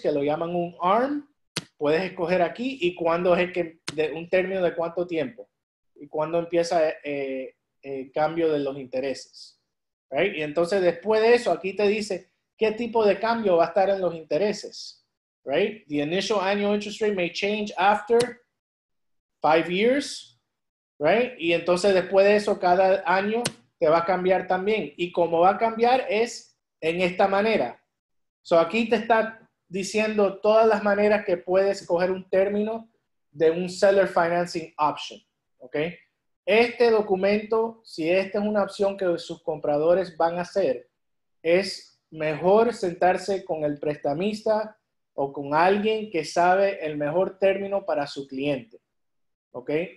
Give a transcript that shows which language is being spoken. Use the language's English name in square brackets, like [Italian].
[Spanish] Que lo llaman un ARM. Puedes escoger aquí. ¿Y cuándo es un término de cuánto tiempo? ¿Y cuándo empieza el cambio de los intereses, right? Y entonces después de eso, aquí te dice qué tipo de cambio va a estar en los intereses, right? [English] The initial annual interest rate may change after 5 years, right? [Spanish] Y entonces después de eso, cada año te va a cambiar también. Y cómo va a cambiar es en esta manera. So aquí te está diciendo todas las maneras que puedes coger un término de un seller financing option, ¿ok? Este documento, si esta es una opción que sus compradores van a hacer, es mejor sentarse con el prestamista o con alguien que sabe el mejor término para su cliente. ¿Ok?